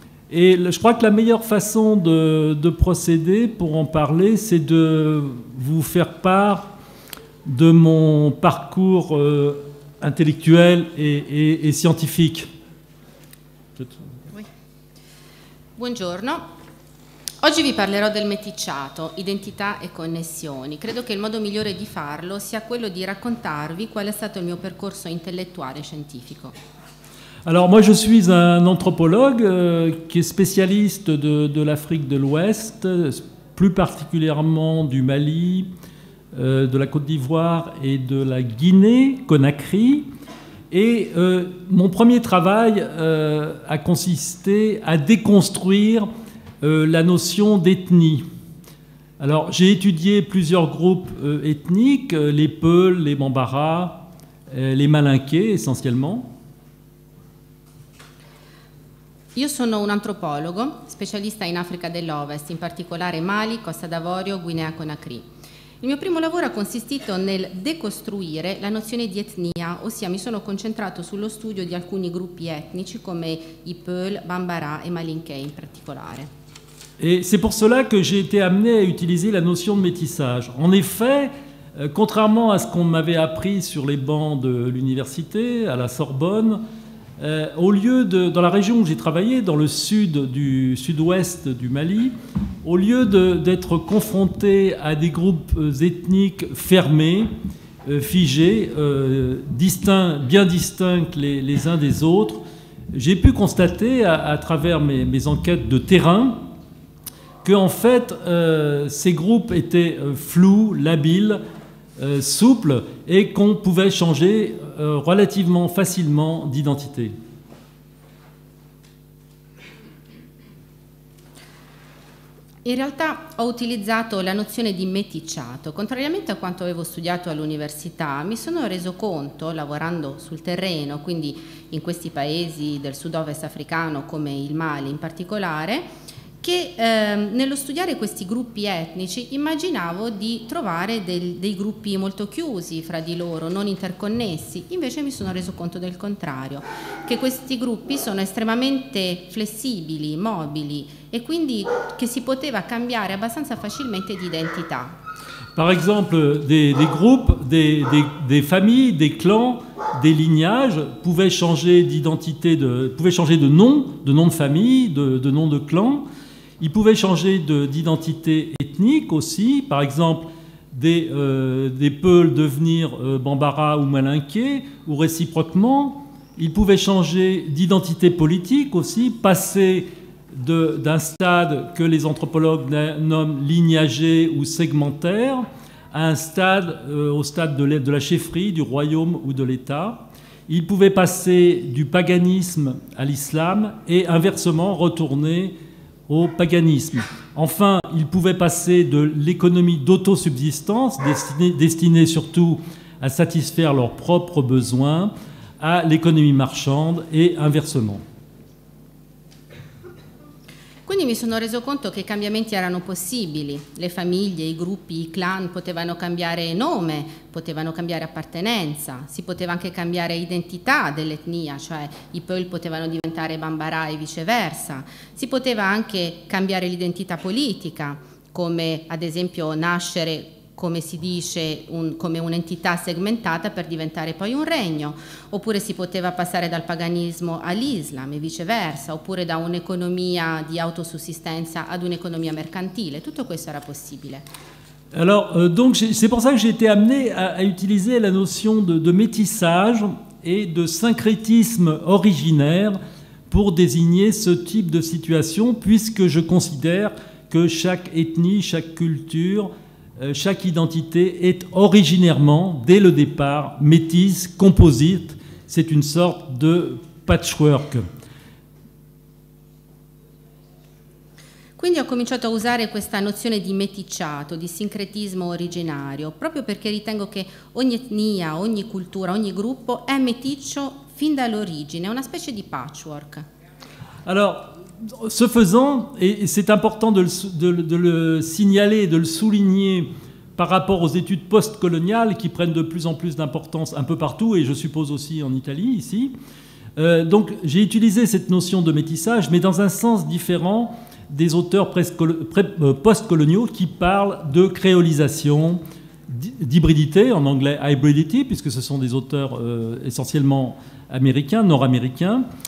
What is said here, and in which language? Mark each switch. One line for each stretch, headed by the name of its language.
French: Et je crois que la meilleure façon de procéder pour en parler, c'est de vous faire part de mon parcours intellectuel et scientifique. Oui. Bonjour.
Italian: Oggi vi parlerò del meticciato, identità e connessioni. Credo che il modo migliore di farlo sia quello di raccontarvi qual è stato il mio percorso intellettuale e scientifico.
French: Alors moi je suis un anthropologue qui est spécialiste de l'Afrique de l'Ouest, plus particulièrement du Mali, de la Côte d'Ivoire et de la Guinée, Conakry. Et mon premier travail a consisté à déconstruire la notion d'ethnie. Alors, j'ai étudié plusieurs groupes ethniques, les Peuls, les Bambara, les Malinkés essentiellement.
Italian: Io sono un antropologo, specialista in Africa dell'Ovest, in particolare Mali, Costa d'Avorio, Guinea Conakry. Il mio primo lavoro ha consistito nel decostruire la nozione di etnia, ossia mi sono concentrato sullo studio di alcuni gruppi etnici come i Peul, Bambara e Malinké in particolare.
French: Et c'est pour cela que j'ai été amené à utiliser la notion de métissage. En effet, contrairement à ce qu'on m'avait appris sur les bancs de l'université, à la Sorbonne, dans la région où j'ai travaillé, dans le sud-ouest du Mali, au lieu d'être confronté à des groupes ethniques fermés, figés, bien distincts les uns des autres, j'ai pu constater à travers mes enquêtes de terrain que, en fait, ces groupes étaient flous, labiles, souples, et qu'on pouvait changer relativement facilement d'identité.
Italian: In realtà ho utilizzato la nozione di meticciato. Contrariamente a quanto avevo studiato all'università, mi sono reso conto, lavorando sul terreno, quindi in questi paesi del sud-ovest africano, come il Mali in particolare, che nello studiare questi gruppi etnici immaginavo di trovare dei gruppi molto chiusi fra di loro, non interconnessi. Invece mi sono reso conto del contrario, che questi gruppi sono estremamente flessibili, mobili, e quindi che si poteva cambiare abbastanza facilmente di identità.
French: Par exemple, des groupes, des familles, des clans, des lignages pouvaient changer d'identité, pouvaient changer de nom de famille, de nom de clan. Ils pouvaient changer d'identité ethnique aussi, par exemple des Peuls devenir Bambara ou Malinké, ou réciproquement. Ils pouvaient changer d'identité politique aussi, passer d'un stade que les anthropologues nomment lignager ou segmentaire à un stade, au stade de la chefferie, du royaume ou de l'État. Ils pouvaient passer du paganisme à l'islam et inversement retourner au paganisme. Enfin, il pouvait passer de l'économie d'autosubsistance, destinée surtout à satisfaire leurs propres besoins, à l'économie marchande et inversement.
Italian: Quindi mi sono reso conto che i cambiamenti erano possibili. Le famiglie, i gruppi, i clan potevano cambiare nome, potevano cambiare appartenenza, si poteva anche cambiare identità dell'etnia, cioè i Peul potevano diventare Bambara e viceversa. Si poteva anche cambiare l'identità politica, come ad esempio nascere, come si dice, come un'entità segmentata per diventare poi un regno, oppure si poteva passare dal paganismo all'islam e viceversa, oppure da un'economia di autosussistenza ad un'economia mercantile. Tutto questo era possibile.
French: Alors, donc, c'est pour ça que j'ai été amené à utiliser la notion de métissage et de syncrétisme originaire pour désigner ce type de situation, puisque je considère que chaque ethnie, chaque culture, chaque identité est originairement, dès le départ, métisse, composite. C'est une sorte de patchwork.
Italian: Quindi ho cominciato a usare questa nozione di meticciato, di sincretismo originario, proprio perché ritengo che ogni etnia, ogni cultura, ogni gruppo è meticcio fin dall'origine, una specie di patchwork. Allora,
French: ce faisant, et c'est important de le signaler, de le souligner par rapport aux études postcoloniales qui prennent de plus en plus d'importance un peu partout, et je suppose aussi en Italie, ici. Donc, j'ai utilisé cette notion de métissage, mais dans un sens différent des auteurs postcoloniaux qui parlent de créolisation, d'hybridité, en anglais hybridity, puisque ce sont des auteurs essentiellement américains, nord-américains.